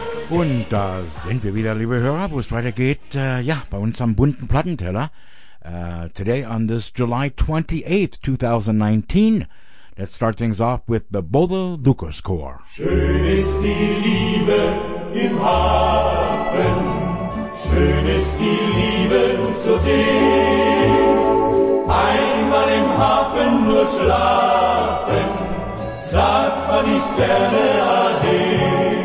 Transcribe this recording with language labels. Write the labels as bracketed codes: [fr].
[de] Und da sind wir wieder, liebe Hörer, wo es weitergeht, bei uns am bunten Plattenteller. [en] Today on this July 28th, 2019, let's start things off with the Bodel Lukas Chor. [de] Schön ist die Liebe im Hafen, schön ist die Liebe zu sehen. Einmal im Hafen nur schlafen, sagt man die Sterne ade.